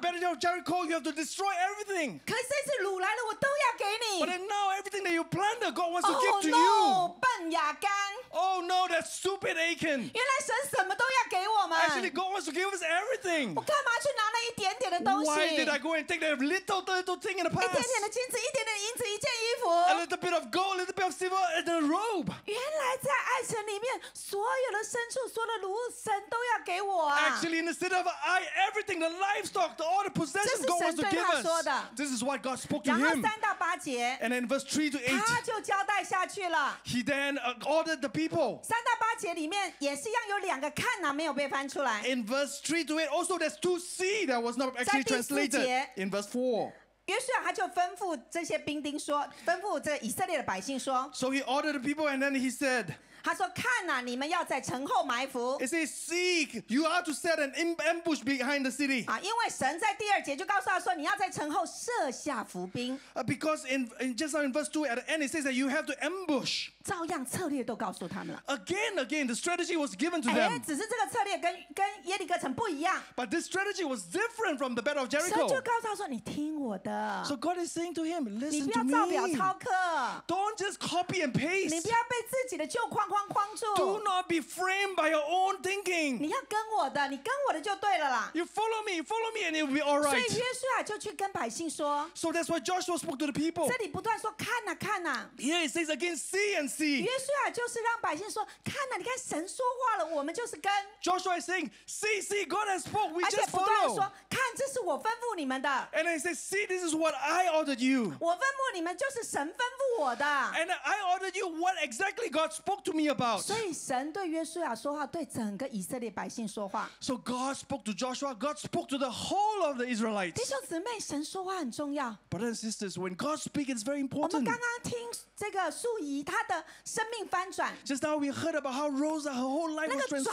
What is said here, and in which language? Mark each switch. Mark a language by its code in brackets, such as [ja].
[en] Battle of Jericho, you have to destroy everything. [zh] 可是这次掳来了，我都要给你。 [en] But now everything that you plunder wants to give to you. Oh no, that stupid Achan. [zh] 原来神什么都要给我们。 [en] Actually, God wants to give us everything. [zh] 我干嘛去拿那一点点的东西？ [en] Why did I go and take that little thing in the past? [zh] 一点点的金子，一点点的银子，一件衣服。 [en] A little bit of gold, a little bit of silver, and a robe. [zh] 原来在爱城里面，所有的牲畜，所有的奴仆，神都要给我啊。 [en] Actually, instead of everything, the livestock, all the possessions God wants to give us. This is what God spoke to him. [zh] 然后三到八节。 [en] And then verse 3-8. [zh] 他就交代下去了。 [en] He then ordered the people. [zh] 三到八节里面也是一样，有两个看拿没有被翻出来。 [en] In verse 3-8, also there's two C that was not actually translated. In verse 4. [zh] 约书亚他就吩咐这些兵丁说，吩咐这以色列的百姓说。 [en] So he ordered the people, and then he said. [zh] 他说：“看呐、啊，你们要在城后埋伏。” [en] He says, "See, you are to set an ambush behind the city." [zh] 啊，因为神在第二节就告诉他说，你要在城后设下伏兵。 [en] Because in just in verse 2 at the end, it says that you have to ambush. [zh] 照样策略都告诉他们了。 [en] Again, the strategy was given to them. [zh] 只是这个策略跟耶利哥城不一样。 [en] But this strategy was different from the Battle of Jericho. [zh] 神就告诉他说：“你听我的。” [en] So God is saying to him, "Listen to me." [zh] 你不要照表抄课。 [en] Don't just copy and paste. [zh] 你不要被自己的旧框。 [en] Do not be framed by your own thinking. [zh] 你要跟我的，你跟我的就对了啦。 [en] You follow me, follow me, and it will be all right. [zh] 所以约书亚就去跟百姓说。 [en] So that's why Joshua spoke to the people. [zh] 这里不断说看呐、啊、看呐、啊。 [en] Here it says again, see and see. [zh] 约书亚就是让百姓说看呐、啊，你看神说话了，我们就是跟。 [en] Joshua is saying, see, see, God has spoke, we just follow. [zh] 而且不断说看，这是我吩咐你们的。 [en] And then he says, see, this is what I ordered you. [zh] 我吩咐你们就是神吩咐我的。 [en] And I ordered you what exactly God spoke to me. [zh] 所以神对约书亚说话，对整个以色列百姓说话。 [en] So God spoke to Joshua. God spoke to the whole of the Israelites. [zh] 弟兄姊妹，神说话很重要。 [en] Brothers and sisters, when God speaks, it's very important. [zh] 我们刚刚听这个素仪她的生命翻转。 [en] Just now we heard about how Rosa, her whole life was transformed.